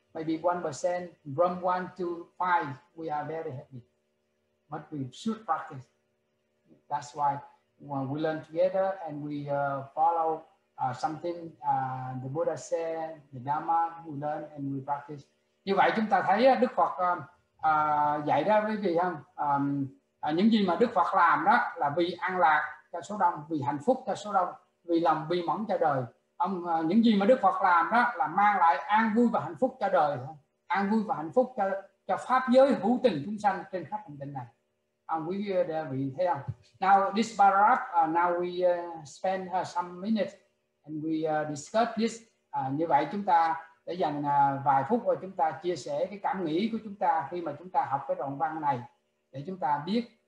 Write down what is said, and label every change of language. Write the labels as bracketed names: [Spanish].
[English] Maybe 1% from 1 to 5, we are very happy. But we should practice. That's why when we learn together and we follow something the Buddha said, the Dhamma, we learn and we practice. [Vietnamese] Như vậy chúng ta thấy Đức Phật dạy đó quý vị không? Những gì mà Đức Phật làm đó là vì an lạc cho số đông, vì hạnh phúc cho số đông, vì lòng bi mẫn cho đời. Những gì mà Đức Phật làm đó là mang lại an vui và hạnh phúc cho đời, an vui và hạnh phúc cho pháp giới hữu tình chúng sanh trên khắp hành tinh này. Quý vị thấy không? [English] Now this paragraph, now we spend some minutes and we discuss this. [Vietnamese] Như vậy chúng ta để dành vài phút và chúng ta chia sẻ cái cảm nghĩ của chúng ta khi mà chúng ta học cái đoạn văn này, để chúng ta biết.